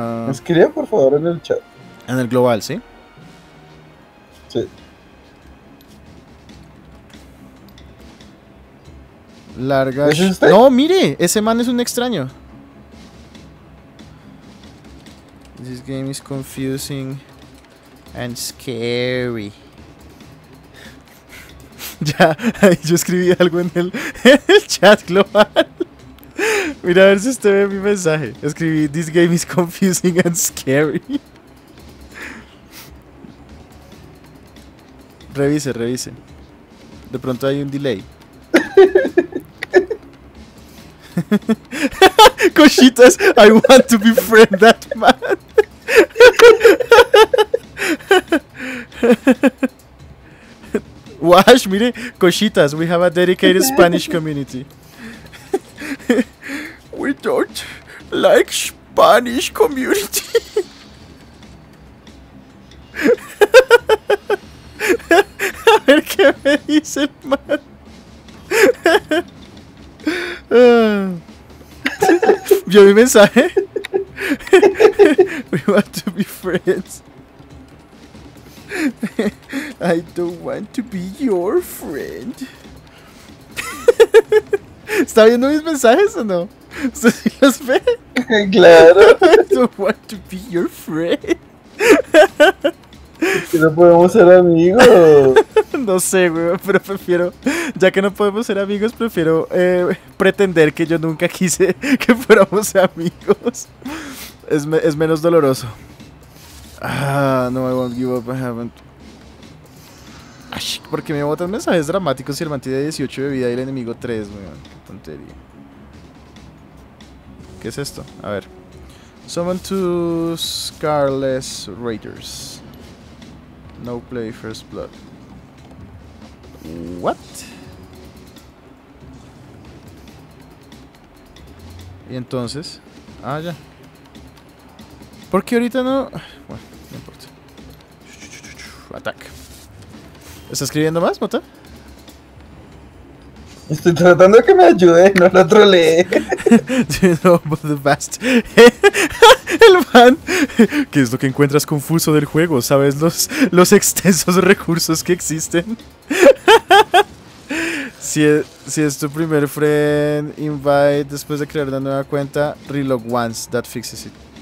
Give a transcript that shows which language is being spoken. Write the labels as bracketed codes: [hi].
[es] Escribe, por favor, en el chat. En el global, ¿sí? Sí. Larga. ¿Es usted? No, mire, ese man es un extraño. [en] This game is confusing and scary. [es] Ya, yo escribí algo en el chat global. Mira a ver si usted ve mi mensaje. Escribí, [en] this game is confusing and scary. [es] Revise, revise. De pronto hay un delay. [en] Cochitas, I want to befriend that man. Wash, [es] mire, [en] Cochitas, we have a dedicated Spanish community. We don't like Spanish community. [es] A ver qué me dice el man. ¿Vio mi mensaje? [en] We want to be friends. I don't want to be your friend. [es] ¿Está viendo mis mensajes o no? ¿Usted sí los ve? Claro. [en] I don't want to be your friend. [es] Es que no podemos ser amigos. No sé, güey, pero prefiero, ya que no podemos ser amigos, prefiero pretender que yo nunca quise que fuéramos amigos. Es menos doloroso. [en] No, I won't give up, I haven't. [es] Ay, ¿por qué me botan mensajes dramáticos si el man tiene 18 de vida y el enemigo 3, güey? Tontería. ¿Qué es esto? A ver. [en] Summon to Scarless Raiders. No play first blood. What? [es] Y entonces, ah, ya. ¿Por qué ahorita no? Bueno, no importa. [en] Attack. [es] ¿Estás escribiendo más, Mota? Estoy tratando de que me ayude, no lo trolee. [en] Do you know about the best? [es] El man. ¿Qué es lo que encuentras confuso del juego? ¿Sabes los extensos recursos que existen? Si es tu primer friend invite después de crear una nueva cuenta, [en] reload once, that fixes it.